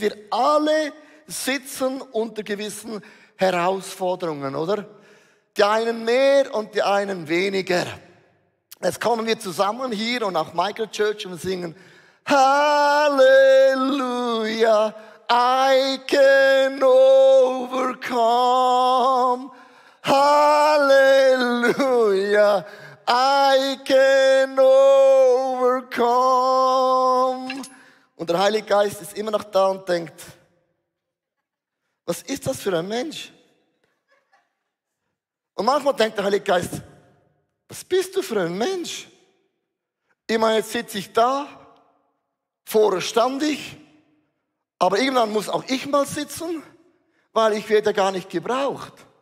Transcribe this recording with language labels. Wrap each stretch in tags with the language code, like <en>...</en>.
<de>Wir alle sitzen unter gewissen Herausforderungen, oder? Die einen mehr und die einen weniger. Jetzt kommen wir zusammen hier und auch Michael Church und singen Halleluja,</de> <en>I can overcome. Halleluja, I can overcome.</en> <de>Und der Heilige Geist ist immer noch da und denkt, was ist das für ein Mensch? Und manchmal denkt der Heilige Geist, was bist du für ein Mensch? Ich meine, jetzt sitze ich da, vorher stand ich, aber irgendwann muss auch ich mal sitzen, weil ich werde gar nicht gebraucht.</de>